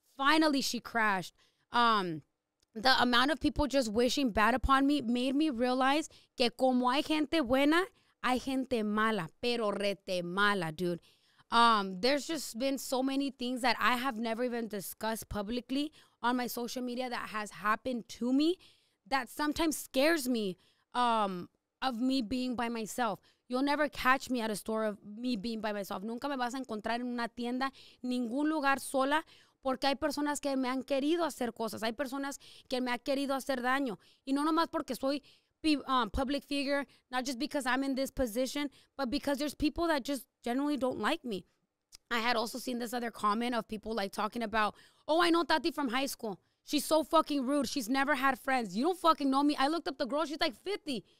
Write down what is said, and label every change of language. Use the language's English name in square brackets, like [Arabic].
[English] Finally she crashed. The amount of people just wishing bad upon me made me realize [Spanish] que como hay gente buena, hay gente mala, pero rete mala, [English] dude. There's just been so many things that I have never even discussed publicly on my social media that has happened to me that sometimes scares me of me being by myself. You'll never catch me at a store of me being by myself. [Spanish] Nunca me vas a encontrar en una tienda, ningún lugar sola, porque hay personas que me han querido hacer cosas. Hay personas que me han querido hacer daño. Y no nomás porque soy [English] public figure, not just because I'm in this position, but because there's people that just generally don't like me. I had also seen this other comment of people like talking about, oh, I know Tati from high school. She's so fucking rude. She's never had friends. You don't fucking know me. I looked up the girl. She's like 50.